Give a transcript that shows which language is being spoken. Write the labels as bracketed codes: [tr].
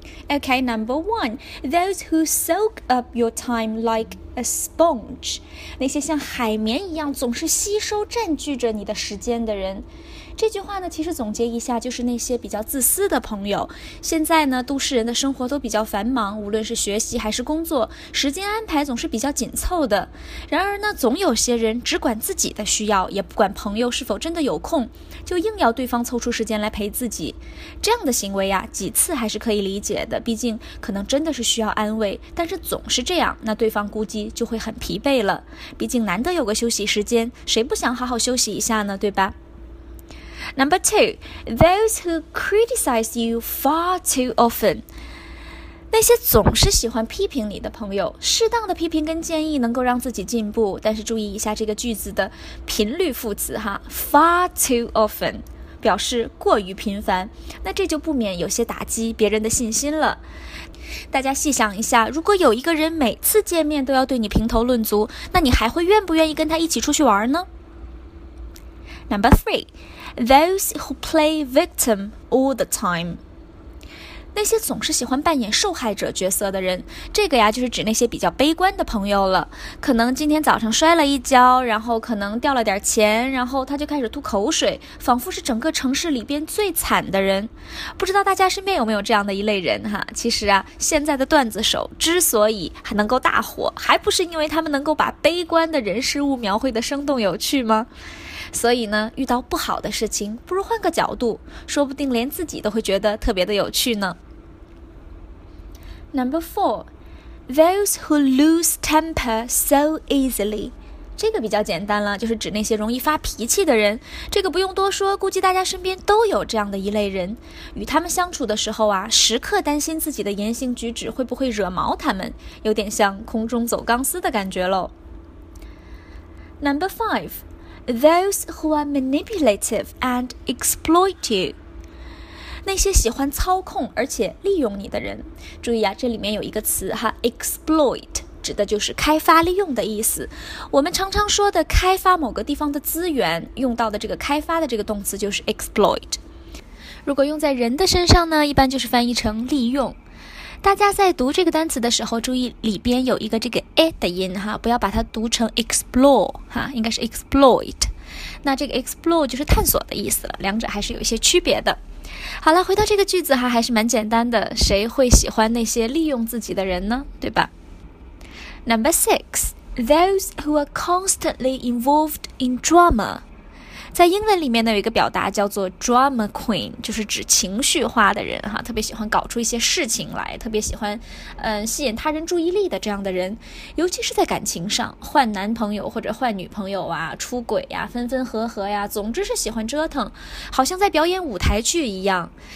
[en] Okay, number one, those who soak up your time like a sponge. [zh] 那些像海绵一样总是吸收占据着你的时间的人。这句话呢，其实总结一下就是那些比较自私的朋友。现在呢，都市人的生活都比较繁忙，无论是学习还是工作，时间安排总是比较紧凑的。然而呢，总有些人只管自己的需要，也不管朋友是否真的有空，就硬要对方抽出时间来陪自己。这样的行为呀，几次还是可以理解的，毕竟可能真的是需要安慰，但是总是这样，那对方估计就会很疲惫了。毕竟难得有个休息时间，谁不想好好休息一下呢，对吧？ [en] Number two, those who criticize you far too often. [zh] 那些总是喜欢批评你的朋友，适当的批评跟建议能够让自己进步，但是注意一下这个句子的频率副词哈， [en] far too often [zh] 表示过于频繁，那这就不免有些打击别人的信心了。大家细想一下，如果有一个人每次见面都要对你评头论足，那你还会愿不愿意跟他一起出去玩呢？ [en] Number three, those who play victim all the time. [zh] 那些总是喜欢扮演受害者角色的人，这个呀就是指那些比较悲观的朋友了。可能今天早上摔了一跤，然后可能掉了点钱，然后他就开始吐口水，仿佛是整个城市里边最惨的人。不知道大家身边有没有这样的一类人哈？其实啊，现在的段子手之所以还能够大火，还不是因为他们能够把悲观的人事物描绘得生动有趣吗？所以呢，遇到不好的事情，不如换个角度，说不定连自己都会觉得特别的有趣呢。 [en] Number four, those who lose temper so easily. [zh] 这个比较简单了，就是指那些容易发脾气的人。这个不用多说，估计大家身边都有这样的一类人。与他们相处的时候啊，时刻担心自己的言行举止会不会惹毛他们，有点像空中走钢丝的感觉喽。 [en] Number five,Those who are manipulative and exploit you. [zh] 那些喜欢操控而且利用你的人。注意啊，这里面有一个词哈， exploit, 指的就是开发利用的意思。我们常常说的开发某个地方的资源，用到的这个开发的这个动词就是 exploit。如果用在人的身上呢，一般就是翻译成利用。大家在读这个单词的时候，注意里边有一个这个 a 的音哈，不要把它读成 explore 哈，应该是 exploit。那这个 explore 就是探索的意思了，两者还是有一些区别的。好了，回到这个句子哈，还是蛮简单的，谁会喜欢那些利用自己的人呢？对吧 [en] ？Number six, those who are constantly involved in drama. [zh] 在英文里面呢，有一个表达叫做 drama queen, 就是指情绪化的人哈，特别喜欢搞出一些事情来，特别喜欢吸引他人注意力的这样的人。尤其是在感情上，换男朋友或者换女朋友啊，出轨呀，分分合合呀，总之是喜欢折腾，好像在表演舞台剧一样。